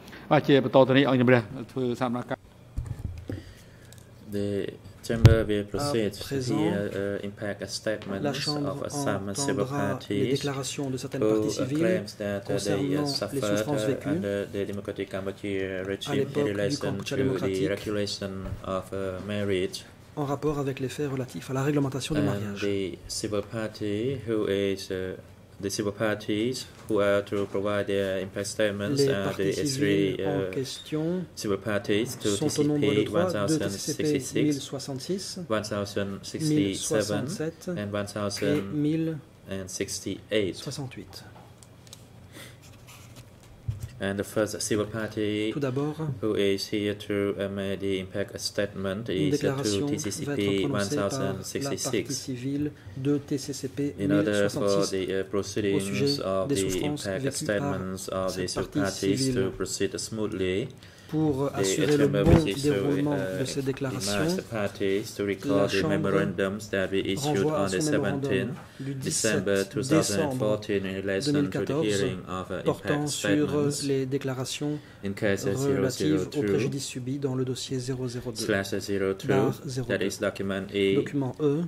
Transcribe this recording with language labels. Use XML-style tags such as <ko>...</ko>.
<en>The chamber will proceed to hear impact statements of some civil parties who claims that they suffered under the democratic Cambodia regime in relation to the regulation of marriage.</en> <fr>En rapport avec les faits relatifs à la réglementation du mariage.</fr> <en>The civil party who is the civil parties who are to provide their impact statements are the three civil parties to TCP 1066, 1067, and 1068. And the first civil party</en> <fr>tout d'abord,</fr> <en>who is here to make the impact statement is to TCP 1066.</en> <fr>De TCCP</fr> <en>in order for the proceedings of the impact statements of the civil parties to proceed smoothly,</en> <fr>pour assurer le bon déroulement de ces déclarations, la Chambre renvoie à son mémorandum du 17 décembre 2014 portant sur les déclarations relatives au préjudice subi dans le dossier 002/02, document E,</fr>